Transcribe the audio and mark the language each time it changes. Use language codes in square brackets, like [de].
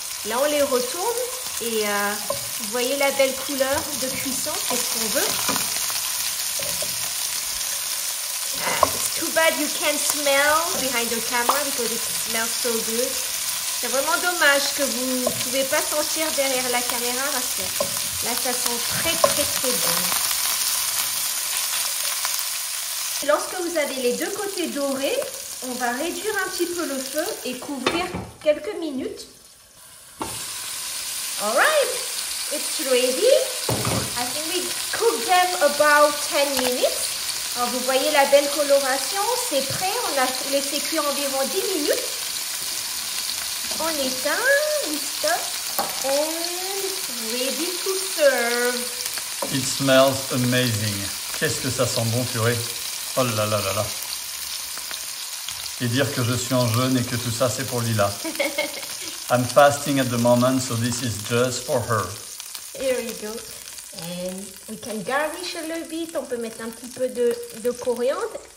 [fr] Là, on les retourne et vous voyez la belle couleur de cuisson, c'est ce qu'on veut. [en] It's too bad you can't smell behind the camera because it smells so good. [fr] C'est vraiment dommage que vous ne pouvez pas sentir derrière la caméra parce que là, ça sent très, très, très bon. Lorsque vous avez les deux côtés dorés, on va réduire un petit peu le feu et couvrir quelques minutes. [en] All right, it's ready. I think we cooked them about 10 minutes. [fr] Alors vous voyez la belle coloration, c'est prêt. On a laissé cuire environ 10 minutes. On éteint, [en] we stop, and ready to serve. It smells amazing. [fr] Qu'est-ce que ça sent bon, purée. Oh là là là là. Et dire que je suis en jeûne et que tout ça, c'est pour Lila. [en] I'm fasting at the moment, so this is just for her. Here you go. And we can garnish a little bit. [fr] On peut mettre un petit peu de coriandre.